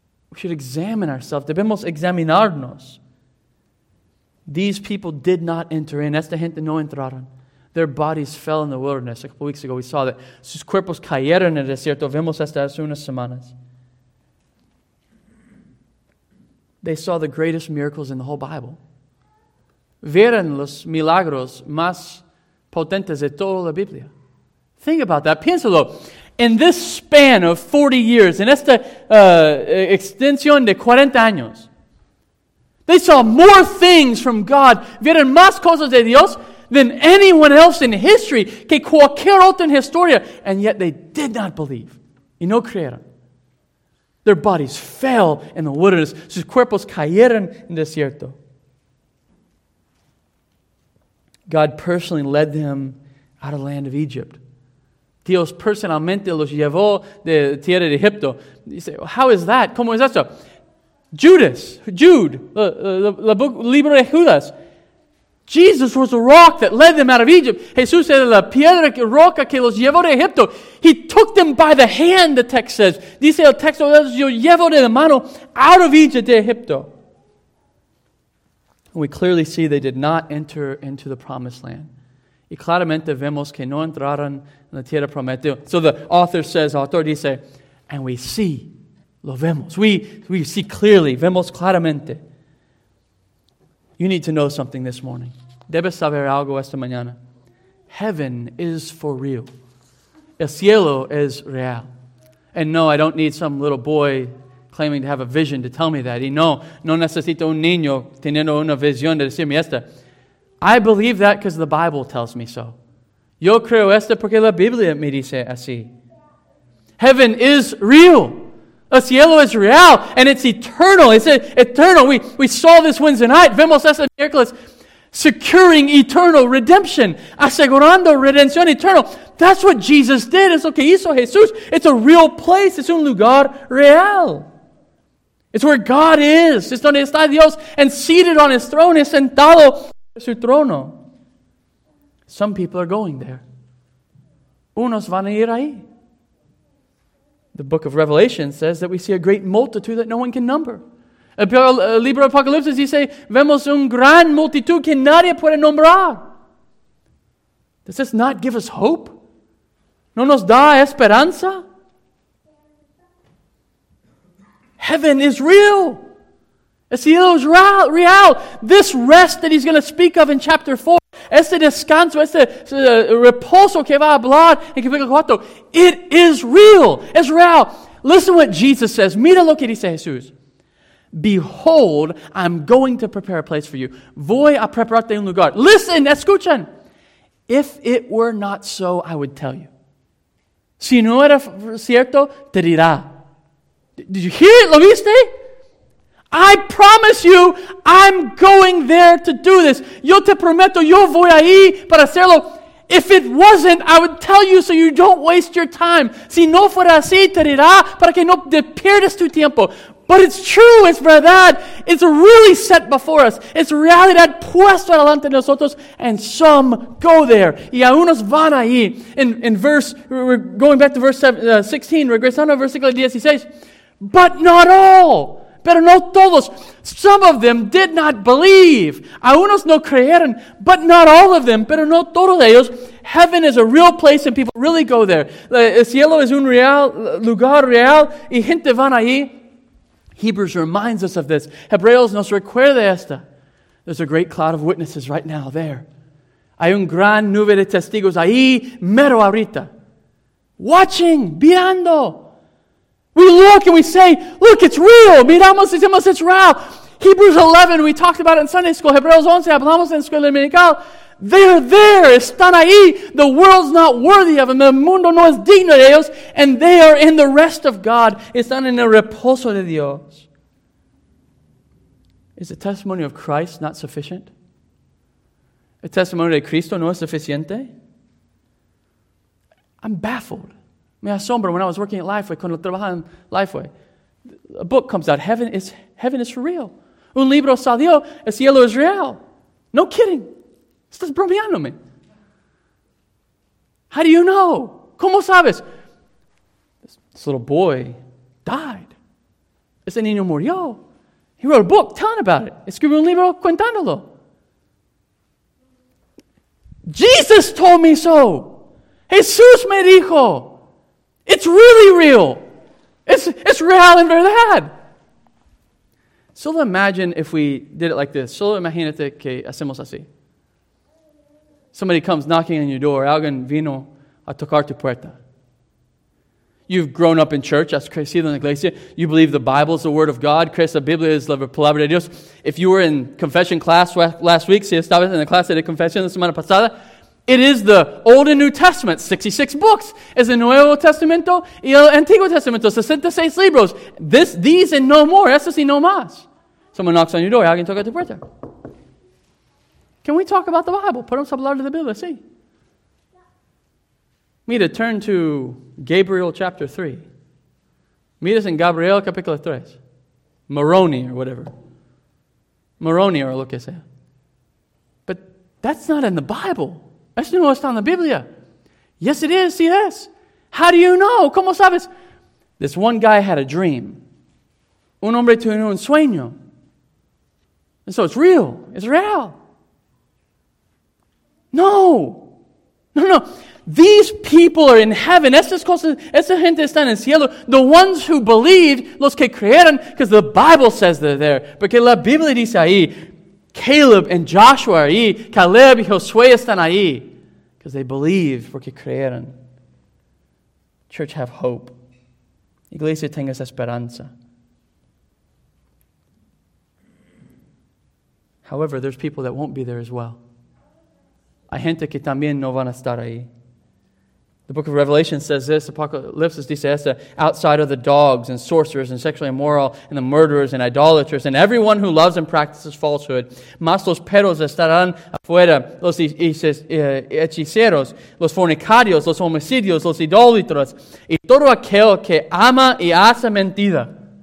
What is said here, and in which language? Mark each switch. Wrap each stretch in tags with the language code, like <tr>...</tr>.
<en>We should examine ourselves.</en> <es>Debemos examinarnos.</es> <en>These people did not enter in.</en> <es>Esta gente no entraron.</es> <en>Their bodies fell in the wilderness. A couple weeks ago we saw that.</en> <es>Sus cuerpos cayeron en el desierto. Vemos esto hace unas semanas.</es> <en>They saw the greatest miracles in the whole Bible.</en> <es>Vieron los milagros más potentes de toda la Biblia.</es> <en>Think about that.</en> <es>Piénsalo.</es> <en>In this span of 40 years, in</en> <es>esta extensión de 40 años,</es> <en>they saw more things from God.</en> <es>Vieron más cosas de Dios</es> <en>than anyone else in history,</en> <es>que cualquier otro en historia.</es> <en>And yet they did not believe.</en> <es>Y no creyeron.</es> <en>Their bodies fell in the wilderness.</en> <es>Sus cuerpos cayeron en desierto.</es> <en>God personally led them out of the land of Egypt.</en> <es>Dios personalmente los llevó de tierra de Egipto.</es> <en>You say, how is that?</en> <es>¿Cómo es eso?</es> <en>Jude, la book,</en> <es>libro de Judas.</es> <en>Jesus was the rock that led them out of Egypt.</en> <es>Jesús era la piedra, roca que los llevó de Egipto.</es> <en>He took them by the hand, the text says.</en> <es>Dice el texto, los llevó de la mano</es> <en>out of Egypt,</en> <es>de Egipto.</es> <en>We clearly see they did not enter into the promised land.</en> <es>Y claramente vemos que no entraron en la tierra prometida.</es> <en>So the author says,</en> <es>author dice,</es> <en>and we see,</en> <es>lo vemos.</es> <en>We see clearly,</en> <es>vemos claramente.</es> <en>You need to know something this morning.</en> <es>Debes saber algo esta mañana.</es> <en>Heaven is for real.</en> <es>El cielo es real.</es> <en>And no, I don't need some little boy claiming to have a vision to tell me that.</en> <es>Y no, no necesito un niño teniendo una visión de decirme esta.</es> <en>I believe that because the Bible tells me so.</en> <es>Yo creo esto porque la Biblia me dice así.</es> <en>Heaven is real.</en> <es>El cielo es real.</es> <en>And it's eternal. It's eternal. We saw this Wednesday night.</en> <es>Vemos este miércoles.</es> <en>Securing eternal redemption.</en> <es>Asegurando redención eternal.</es> <en>That's what Jesus did.</en> <es>Es lo que hizo Jesús.</es> <en>It's a real place.</en> <es>Es un lugar real.</es> <en>It's where God is.</en> <es>Es donde está Dios.</es> <en>And seated on his throne.</en> <es>Es sentado en su trono.</es> <en>Some people are going there.</en> <es>Unos van a ir ahí.</es> <en>The book of Revelation says that we see a great multitude that no one can number.</en> <es>El libro de Apocalipsis dice, vemos un gran multitud que nadie puede nombrar.</es> <en>Does this not give us hope?</en> <es>¿No nos da esperanza?</es> <en>Heaven is real.</en> <es>El cielo es real.</es> <en>This rest that he's going to speak of in chapter 4,</en> <es>este descanso, este reposo que va a hablar en capítulo 4,</es> <en>it is real.</en> <es>Es real.</es> <en>Listen to what Jesus says.</en> <es>Mira lo que dice Jesús.</es> <en>Behold, I'm going to prepare a place for you.</en> <es>Voy a prepararte un lugar.</es> <en>Listen,</en> <es>escuchen.</es> <en>If it were not so, I would tell you.</en> <es>Si no era cierto, te dirá.</es> <en>Did you hear it?</en> <es>¿Lo viste?</es> <en>I promise you, I'm going there to do this.</en> <es>Yo te prometo, yo voy ahí para hacerlo.</es> <en>If it wasn't, I would tell you so you don't waste your time.</en> <es>Si no fuera así, te dirá para que no pierdas tu tiempo.</es> <en>But it's true,</en> <es>it's verdad.</es> <en>It's really set before us. It's</en> <es>realidad puesto adelante de nosotros.</es> <en>And some go there.</en> <es>Y a unos van ahí.</es> <en>In verse, we're going back to verse 16,</en> <es>regresando a versículo 16.</es> <en>But not all.</en> <es>Pero no todos.</es> <en>Some of them did not believe.</en> <es>A unos no creyeron.</es> <en>But not all of them.</en> <es>Pero no todos ellos.</es> <en>Heaven is a real place and people really go there.</en> <es>El cielo es un real lugar real. Y gente van ahí.</es> <en>Hebrews reminds us of this.</en> <es>Hebreos nos recuerda esta.</es> <en>There's a great cloud of witnesses right now there.</en> <es>Hay un gran nube de testigos ahí, mero ahorita.</es> <en>Watching,</en> <es>mirando.</es> <en>We look and we say, look, it's real.</en> <es>Miramos, decimos,</es> <en>it's real. Hebrews 11, we talked about it in Sunday school.</en> <es>Hebreos 11, hablamos en escuela dominical.</es> <en>They're there.</en> <es>Están ahí.</es> <en>The world's not worthy of them.</en> <es>El mundo no es digno de ellos.</es> <en>And they are in the rest of God.</en> <es>Están en el reposo de Dios.</es> <en>Is the testimony of Christ not sufficient?</en> <es>El testimonio de Cristo no es suficiente?</es> <en>I'm baffled.</en> <es>Me asombro</es> <en>when I was working at Lifeway,</en> <es>cuando trabajaba en Lifeway.</es> <en>A book comes out. Heaven is for real.</en> <es>Un libro salió. El cielo es real.</es> <en>No kidding.</en> <es>Estás bromeándome.</es> <en>How do you know?</en> <es>¿Cómo sabes?</es> <en>This little boy died.</en> <es>Ese niño murió.</es> <en>He wrote a book telling about it.</en> <es>Escribió un libro contándolo.</es> <en>Jesus told me so. Jesús me dijo. It's really real. It's real and</en> <es>verdad.</es> <en>Solo imagine if we did it like this.</en> <es>Solo imagínate que hacemos así.</es> <en>Somebody comes knocking on your door.</en> <es>Alguien vino a tocar tu puerta.</es> <en>You've grown up in church.</en> <es>Has crecido en la iglesia.</es> <en>You believe the Bible is the word of God. Crees la Biblia es la palabra de Dios. If you were in confession class last week, si estabas en la clase de confesión la semana pasada, it is the Old and New Testament, 66 books.</en> <es>Es el Nuevo Testamento y el Antiguo Testamento, 66 libros.</es> <en>These and no more.</en> <es>Estos y no más.</es> <en>Someone knocks on your door.</en> <es>Alguien toca tu puerta.</es> <en>Can we talk about the Bible?</en> <es>Podemos hablar de la Biblia, sí.</es> <en>Mira, turn to Gabriel chapter 3.</en> <es>Mira en Gabriel capítulo 3.</es> <en>Moroni or whatever. Moroni or</en> <es>lo que sea.</es> <en>But that's not in the Bible.</en> <es>Eso no está en la Biblia.</es> <en>Yes, it is.</en> <es>Sí, es.</es> <en>How do you know?</en> <es>¿Cómo sabes?</es> <en>This one guy had a dream.</en> <es>Un hombre tuvo un sueño.</es> <en>And so it's real. It's real. No. These people are in heaven.</en> <es>Estas cosas, esa gente está en el cielo.</es> <en>The ones who believed,</en> <es>los que creyeron,</es> <en>because the Bible says they're there.</en> <es>Porque la Biblia dice ahí,</es> <en>Caleb and Joshua are</en> <es>ahí, Caleb y Josué están ahí,</es> <en>because they believed,</en> <es>porque creyeron.</es> <en>Church, have hope.</en> <es>Iglesia, tengas esperanza.</es> <en>However, there's people that won't be there as well.</en> <es>Hay gente que también no van a estar ahí.</es> <en>The book of Revelation says this,</en> <es>Apocalypse dice esto,</es> <en>outside of the dogs and sorcerers and sexually immoral and the murderers and idolaters and everyone who loves and practices falsehood,</en> <es>más los perros estarán afuera, los hechiceros, los fornicarios, los homicidios, los idólatras, y todo aquel que ama y hace mentira.</es>